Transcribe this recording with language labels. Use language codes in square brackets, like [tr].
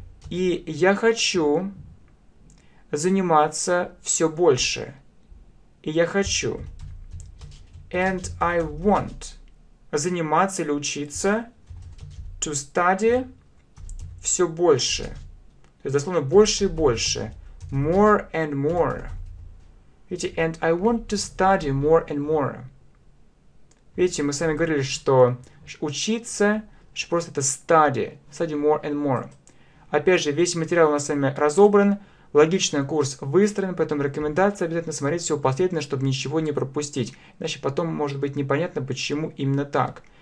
[ru] И я хочу заниматься все больше. И я хочу. [en] And I want [ru] заниматься или учиться [en] to study [ru] все больше. То есть, дословно, больше и больше. [en] More and more. [ru] Видите, [en] and I want to study more and more. [ru] Видите, мы с вами говорили, что учиться, что просто это study. [en] Study more and more. [ru] Опять же, весь материал у нас с вами разобран. Логично, курс выстроен, поэтому рекомендация обязательно смотреть все последовательно, чтобы ничего не пропустить. Иначе потом может быть непонятно, почему именно так.